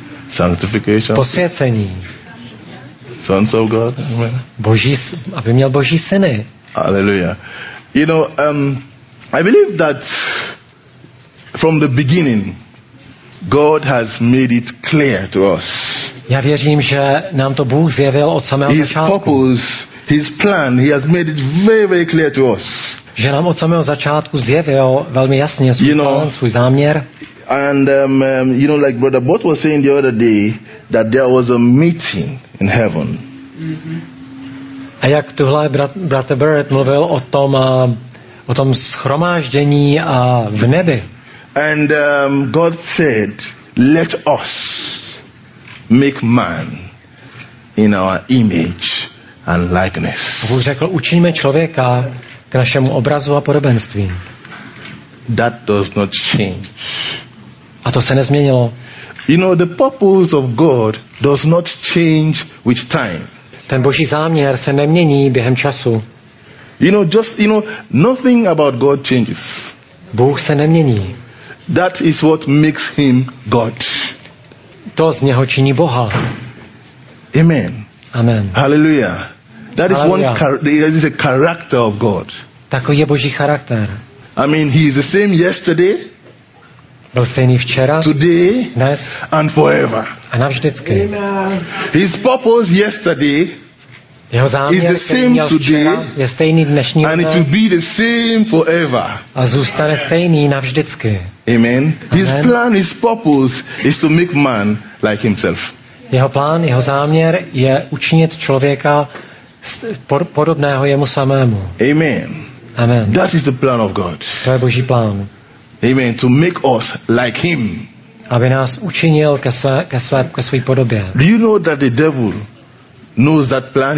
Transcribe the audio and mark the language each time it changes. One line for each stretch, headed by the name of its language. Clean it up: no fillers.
English: Sanctification.
Czech: Posvěcení.
English: Sons of God.
Czech: Boží, aby měl Boží syny. Hallelujah.
English: You know, I believe that from the beginning God has made it clear to us.
Czech: Já věřím, že nám to Bůh zjevil od samého začátku.
English: His purpose, his plan, he has made it very, very clear to us.
Czech: Že nám od samého začátku zjevil velmi jasně svůj plán, svůj záměr.
English: And you know, like Brother Bot was saying the other day, that there was a meeting in heaven.
Czech: Mm-hmm. A jak tuhle Brother Barrett mluvil o tom shromáždění a v nebi.
English: And God said, let us make man in our image and likeness.
Czech: Bůh řekl, učiníme člověka k našemu obrazu a podobenství.
English: That does not change.
Czech: A to se nezměnilo.
English: You know, the purpose of God does not change with time.
Czech: Ten Boží záměr se nemění během času.
English: You know, just, you know, nothing about God changes.
Czech: Bůh se nemění.
English: That is what makes him God.
Czech: To z něho činí Boha. Amen. Amen. Hallelujah.
English: That is one that is a character of God.
Czech: Takový je Boží charakter.
English: I mean, he is the same yesterday.
Czech: Byl stejný včera,
English: today,
Czech: dnes,
English: and forever.
Czech: A navždycky.
English: His purpose yesterday,
Czech: jeho záměr,
English: is the same today,
Czech: je stejný dnešní,
English: and it will be the same forever.
Czech: A zůstane stejný navždycky. Amen.
English: His plan, his purpose is to make man like himself.
Czech: Jeho plán, jeho záměr je učinit člověka podobného jemu samému. Amen. Amen.
English: That is the plan of God.
Czech: To je Boží plán.
English: Amen. To make us like him.
Czech: Aby nás učinil ke své podobě.
English: Do you know that the devil knows that plan?